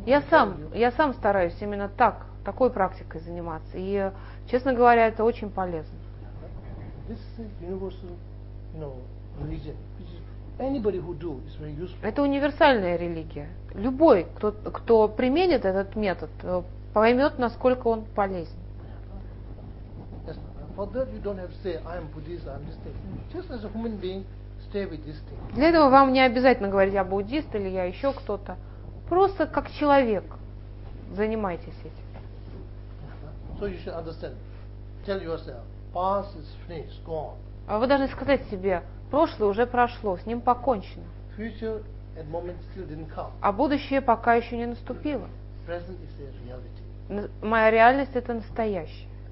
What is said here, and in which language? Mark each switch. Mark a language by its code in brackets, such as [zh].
[ru] Я сам стараюсь именно так, такой практикой заниматься. И, честно говоря, это очень полезно. [en] This is a universal, you know, religion. Which is anybody who do is very useful. [ru] Это универсальная религия. Любой, кто применит этот метод, поймет, насколько он полезен. [en] Yes. For that you don't have to say I am Buddhist, I'm this thing. Just as a human being, stay with this thing. [ru] Для этого вам не обязательно говорить я буддист или я еще кто-то. Просто как человек занимайтесь этим. [en] So you should understand. Tell yourself. Past is finished, gone. [ru] А вы должны сказать себе, прошлое уже прошло, с ним покончено. [en] Future at moment still didn't come. [ru] А будущее пока еще не наступило. [en] Present is a reality. [ru] Моя реальность это настоящее.